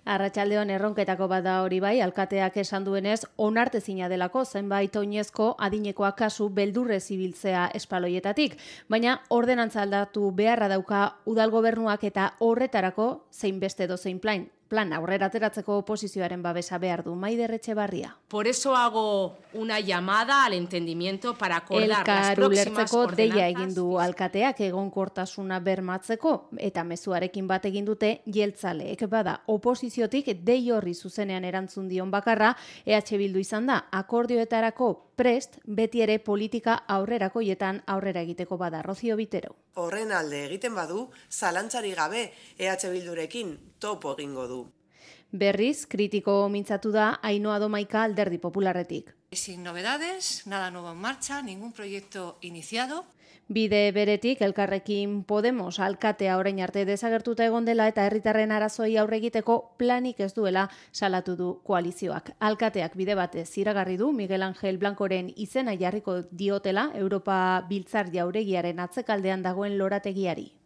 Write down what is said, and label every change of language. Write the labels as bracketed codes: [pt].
[eu] Arratsaldeon, erronketako bat da hori bai, alkateak esan duenez onartezina delako zenbait oinezko adinekoa kasu beldurrez ibiltzea espaloietatik, baina ordenantza aldatu beharra dauka udalgobernuak eta horretarako zein beste dozein plan aurrera ateratzeko oposizioaren babesa behar du Maider Etxebarria. [es] Por eso hago una llamada al entendimiento para acordar las próximas ordenanzas. [eu] Elkar ulertzeko deia egin du alkateak egonkortasuna bermatzeko eta mezuarekin bat egin dute jeltzaleek. Bada, oposiziotik dei horri zuzenean erantzun dion bakarra EH Bildu izan da, akordioetarako prest, beti ere politika aurrerakoietan aurrera egiteko bada Rocío Vitero. Horren alde egiten badu, zalantzari gabe EH Bildurekin topo egingo du. Berriz, kritiko mintzatu da Ainhoa Domaika Alderdi Popularretik. [es] Sin novedades, nada nuevo en marcha, ningún proyecto iniciado. [eu] Bide beretik Elkarrekin Podemos alkatea orain arte desagertuta egon dela eta herritarren arazoi aurre egiteko planik ez duela salatu du koalizioak. Alkateak bide batez iragarri du Miguel Ángel Blancoren izena jarriko diotela Europa Biltzar Jauregiaren atzekaldean dagoen lorategiari.